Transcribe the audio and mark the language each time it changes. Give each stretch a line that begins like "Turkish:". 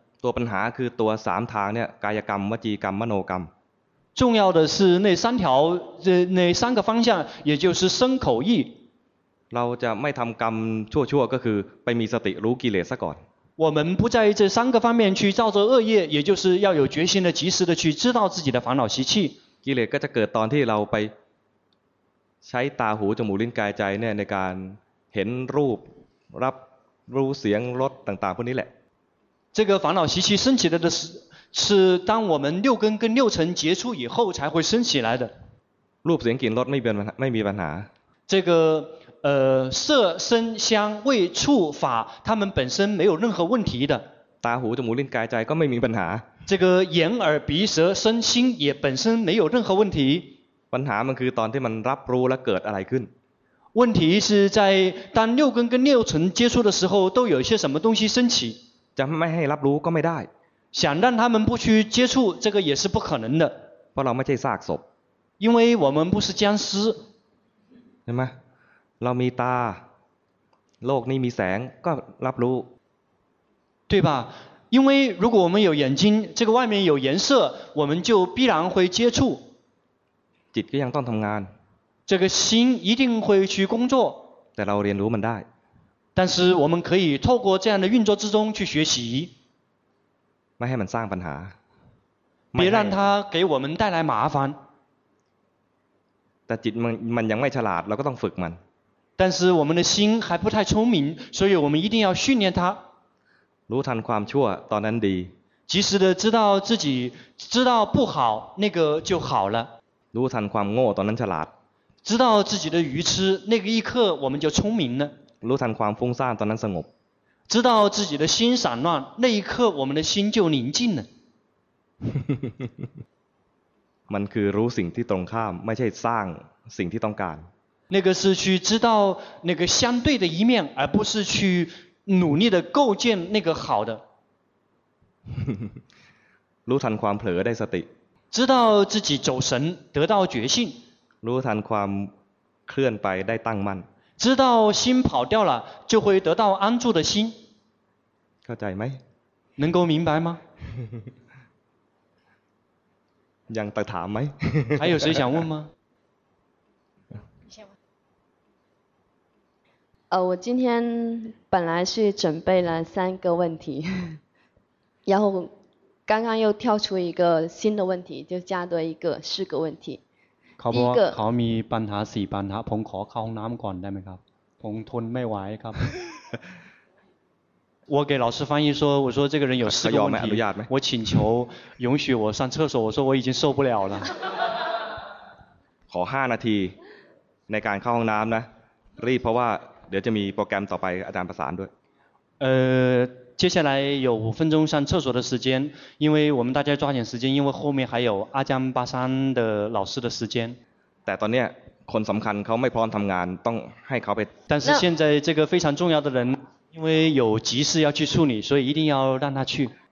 Thai: ตัวปัญหาคือตัวสามทางเนี่ยกายกรรมวจีกรรมมโนกรรม
Chinese: 重要的是那三条那三个方向也就是身口意
Thai: เราจะไม่ทำกรรมชั่วๆก็คือไปมีสติรู้กิเลสซะก่อน
Chinese: 我们不在这三个方面去造作恶业也就是要有决心的及时的去知道自己的烦恼习气
Thai: กิเลสก็จะเกิดตอนที่เราไปใช้ตาหูจมูกลิ้นกายใจเนี่ยในการเห็นรูปรับรู้เสียงรสต่างๆพวกนี้แหละ
Chinese: 这个烦恼习气升起来的是当我们六根跟六尘接触以后才会升起来的
Thai: รูปเสียงกลิ่นรสไม่มีปัญหา
Chinese: 这个色声香味触法它们本身没有任何问题的
Thai: ตาหูจมูกลิ้นกายใจก็ไม่มีปัญหา
Chinese: 这个眼耳鼻舌身心也本身没有任何问题
Thai: ปัญหามันคือตอนที่มันรับรู้แล้วเกิดอะไรขึ้น
Chinese: 问题是在当六根跟六尘接触的时候都有一些什么东西升起
Thai: จะไม่ให้รับรู้ก็ไม่ได้
Chinese: 想让他们不去接触这个也是不可能的
Thai: เพราะเราไม่ใช่ซากศพ
Chinese: 因为我们不是僵尸
Thai: เห็นไหมเรามีตาโลกนี้มีแสงก็รับรู้
Chinese: 对吧因为如果我们有眼睛这个外面有颜色我们就必然会接触
Thai: จิตก็ยังต้องทำงาน
Chinese: 这个心一定会去工作
Thai: แต่เราเรียนรู้มันได้
Chinese: 但是我们可以透过这样的运作之中去学习
Thai: ไม่ให้มันสร้างปัญหา
Chinese: 别让它给我们带来麻烦
Thai: แต่จิตมันยังไม่ฉลาดเราก็ต้องฝึกมัน
Chinese: 但是我们的心还不太聪明所以我们一定要训练它
Thai: รู้ทันความชั่วตอนนั้นดี
Chinese: 及时的知道自己知道不好那个就好了
Thai: รู้ทันความโง่ตอนนั้นฉลาด
Chinese: 知道自己的愚痴，那个一刻我们就聪明了。
Thai: รู้ทันความฟุ้งซ่านตอนนั้นสงบ。
Chinese: 知道自己的心散乱，那一刻我们的心就宁静了。
Thai: มันคือรู้สิ่งที่ตรงข้ามไม่ใช่สร้างสิ่งที่ต้องการ。
Chinese: 那个是去知道那个相对的一面，而不是去努力的构建那个好的。
Thai: รู้ทันความเผลอได้สติ。
Chinese: 知道自己走神，得到觉性。
Thai: รู้ทันความเคลื่อนไปได้ตั้งมั่น。
Chinese: 知道心跑掉了，就会得到安住的心。
Thai: เข้าใจไหม？
Chinese: 能够明白吗？
Thai: ยังตะถามไหม？
Chinese: 还有谁想问吗？我今天本来是准备了三个问题，然后刚刚又跳出一个新的问题，就加多一个四个问题。
Thai: เขาบอกว่าเขามีปัญหาสี่ปัญหาผมขอเข้าห้องน้ำก่อนได้ไหมครับผมทนไม่ไหวครับ
Chinese: 我给老师翻译说我说这个人有四个问题我请求允许我上厕所我说我已经受不了了
Thai: ขอห้านาทีในการเข้าห้องน้ำนะรีบเพราะว่าเดี๋ยวจะมีโปรแกรมต่อไปอาจารย์ประสานด้วย
Chinese: 接下来有五分钟上厕所的时间，因为我们大家抓紧时间，因为后面还有阿江巴山的老师的时间。
Thai: แต่ตอนนี้คนสำคัญเขาไม่พร้อมทำงานต้องให้เขาไป。
Chinese: 但是现在这个非常重要的人，因为有急事要去处理，所以一定要让他去。